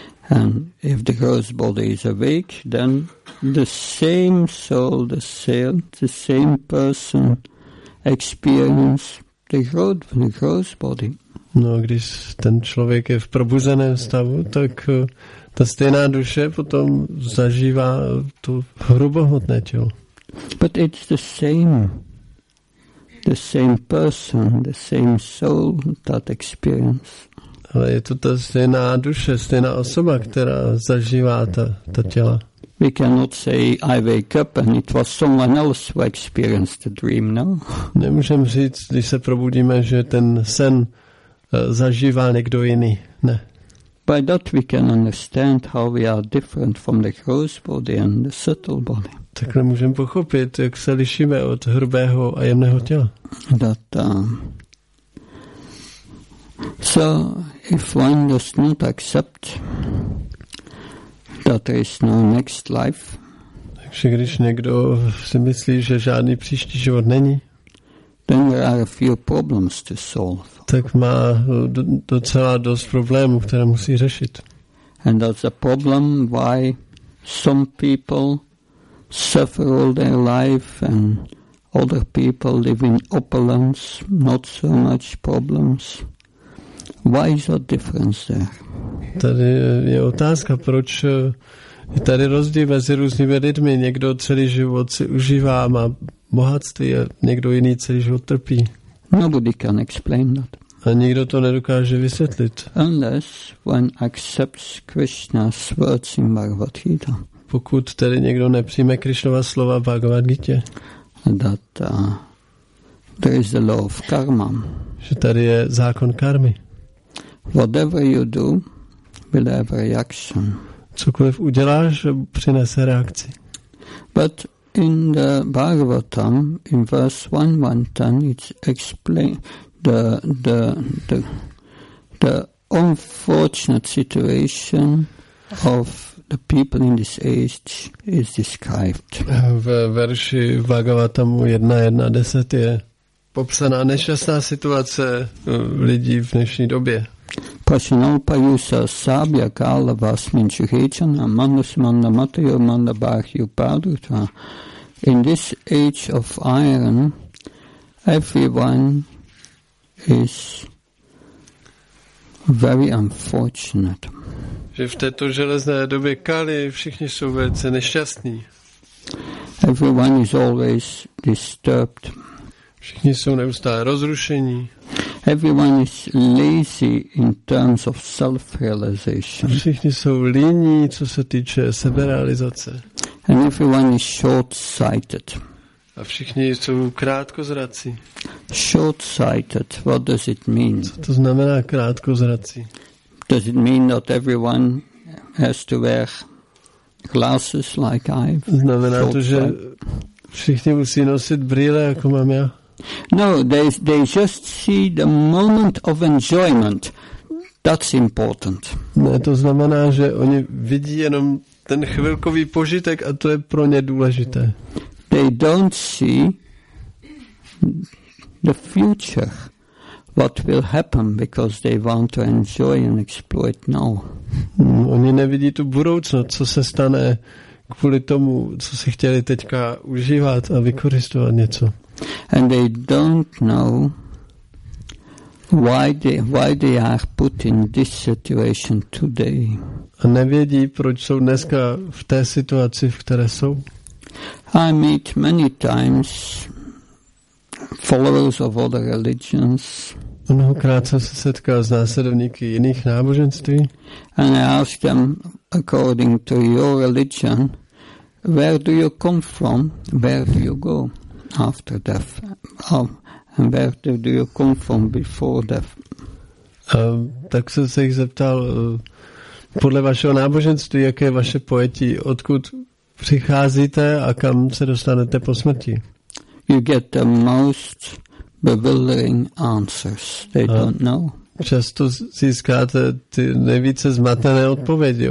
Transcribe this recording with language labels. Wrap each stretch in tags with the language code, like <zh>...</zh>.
<en>And if the gross body is awake, then the same soul, the same person experience the gross body.</en> <cs>No, když ten člověk je v probuzeném stavu, tak ta stejná duše potom zažívá tu hrubohmotné tělo.</cs> <en>But it's the same person, the same soul that experience.</en> <cs>Ale je to ta stejná duše, stejná osoba, která zažívá ta těla.</cs> <en>We cannot say I wake up and it was someone else who experienced the dream, no?</en> <cs>Nemůžeme říct, když se probudíme, že ten sen zažívá někdo jiný, ne?</cs> <en>By that we can understand how we are different from the gross body and the subtle body.</en> <cs>Takhle můžeme pochopit, jak se lišíme od hrubého a jemného těla.</cs> <en>That, so if one does not accept that there is no next life,</en> <cs>takže když někdo si myslí, že žádný příští život není,</cs> <en>then there are a few problems to solve.</en> <cs>Tak má docela dost problémů, které musí řešit.</cs> <en>And that's a problem why some people suffer all their life and other people live in opulence, not so much problems. Why is that difference there?</en> <cs>Tady je otázka, proč je tady rozdíl mezi různými lidmi. Někdo celý život si užívá, má bohatství a někdo jiný celý život trpí.</cs> <en>Nobody can explain that.</en> <cs>A nikdo to nedokáže vysvětlit.</cs> <en>Unless one accepts Krishna's words in Bhagavad Gita.</en> <cs>Pokud tedy někdo nepřijme Krishnova slova v Bhagavad Gita.</cs> <en>That there is the law of karma.</en> <cs>Že tady je zákon karmy.</cs> <en>Whatever you do, will have a reaction.</en> <cs>cokoliv uděláš, přinese reakci.</cs> <en>But in the Bhagavatam, in verse 110, it's explained the unfortunate situation of the people in this age is described.</en> <cs>V verši Bhagavatamu 1.1.10 je popsaná nešťastná situace lidí v dnešní době.</cs> <sa>Pasinopajusa sabya kala vasmin chuhechana manusmanna matayo manna bahyu padutva.</sa> <en>In this age of iron, everyone is very unfortunate.</en> <cs>Že v této železné době kali všichni jsou velice nešťastní.</cs> <en>Everyone is always disturbed.</en> <cs>Všichni jsou neustále rozrušení.</cs> <en>Everyone is lazy in terms of self-realization.</en> <cs>Všichni jsou líní, co se týče seberealizace.</cs> <en>And everyone is short-sighted.</en> <cs>A všichni jsou krátkozrací.</cs> <en>Short-sighted, what does it mean?</en> <cs>Co to znamená krátkozrací?</cs> <en>Does it mean that everyone has to wear glasses like I?</en> <cs>Znamená to, že všichni musí nosit brýle, jako mám já?</cs> <en>No, they just see the moment of enjoyment. That's important.</en> <cs>Ne, to znamená, že oni vidí jenom ten chvilkový požitek a to je pro ně důležité.</cs> <en>They don't see the future, what will happen, because they want to enjoy and exploit now.</en> <cs>Oni nevidí tu budoucnost, co se stane kvůli tomu, co si chtěli teďka užívat a vykoristovat něco.</cs> <en>And they don't know why they are put in this situation today.</en> <cs>A nevědí, proč jsou dneska v té situaci, v které jsou.</cs> <en>I meet many times followers of other religions.</en> <cs>Mnohokrát jsem se setkal s následovníky jiných náboženství.</cs> <en>And I ask them, according to your religion, where do you come from, where do you go after death? And where do you come from before death?</en> <cs>Tak jsem se jich zeptal, podle vašeho náboženství, jaké je vaše pojetí, odkud přicházíte a kam se dostanete po smrti?</cs> <en>You get the most bewildering answers. They don't know.</en> <cs>Často získáte ty nejvíce zmatené odpovědi.</cs>